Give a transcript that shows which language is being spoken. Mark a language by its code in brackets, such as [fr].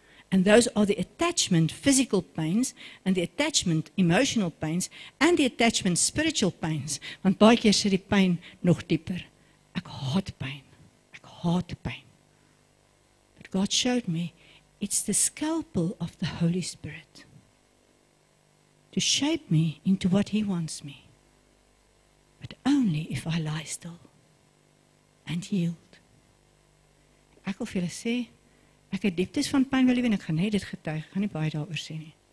[en] And those are the attachment physical pains, and the attachment emotional pains, and the attachment spiritual pains. [af] Want baie keer sit die pyn nog dieper. Ek haat pyn. Ek haat pyn. [en] But God showed me, it's the scalpel of the Holy Spirit to shape me into what He wants me. But only if I lie still and yield. [af] Ek wil vir julle sê, ek het dieptes van pyn beleef en ek gaan net dit getuig, ek gaan nie baie daaroor sê nie.